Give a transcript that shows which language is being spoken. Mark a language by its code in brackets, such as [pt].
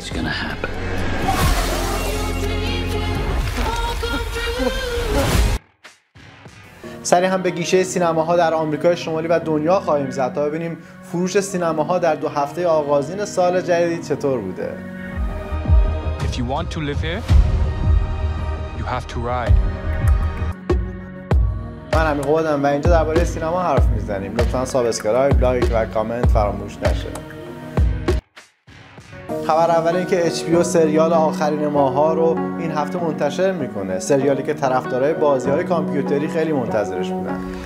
[en] It's gonna happen. [fa] سری هم به گیشه سینماها در آمریکای شمالی و دنیا خواهیم زد تا ببینیم فروش سینماها در دو هفته آغازین سال جدید چطور بوده. [en] If you want to live here, you have to ride. [fa] من امیر قوادم و اینجا درباره سینما حرف میزنیم. لطفاً سابسکرایب، لایک و کامنت فراموش نشه. خبر اول این که HBO سریال آخرین ماها رو این هفته منتشر میکنه، سریالی که طرفدارای بازی های کامپیوتری خیلی منتظرش بودن.